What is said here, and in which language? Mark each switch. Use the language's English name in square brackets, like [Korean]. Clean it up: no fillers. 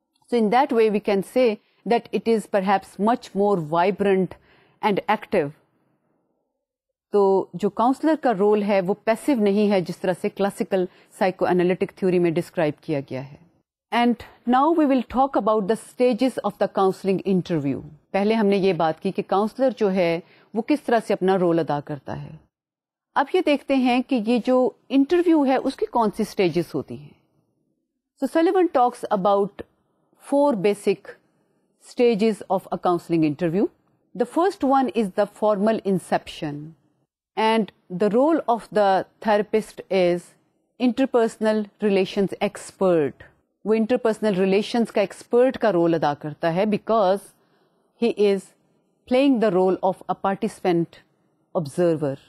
[English] So in that way we can say that it is perhaps much more vibrant and active. [Urdu] تو جو counsellor کا role ہے وہ passive نہیں ہے جس طرح سے کلاسیکل سائیکو انالیٹک تھیوری میں ڈسکرائب کیا گیا ہے. [English] And now we will talk about the stages of the counselling interview. [Urdu] پہلے ہم نے یہ بات کی کہ کاؤنسلر جو ہے وہ کس طرح سے اپنا رول ادا کرتا ہے. اب یہ دیکھتے ہیں کہ یہ جو انٹرویو ہے اس کی کون سی اسٹیجز ہوتی ہیں. [English] So Sullivan talks about four basic stages of a counselling interview. The first one is the formal inception and the role of the therapist is interpersonal relations expert. [Urdu] وہ انٹرپرسنل ریلیشنز کا ایکسپرٹ کا role ادا کرتا ہے [English] Because he is playing the role of a participant observer.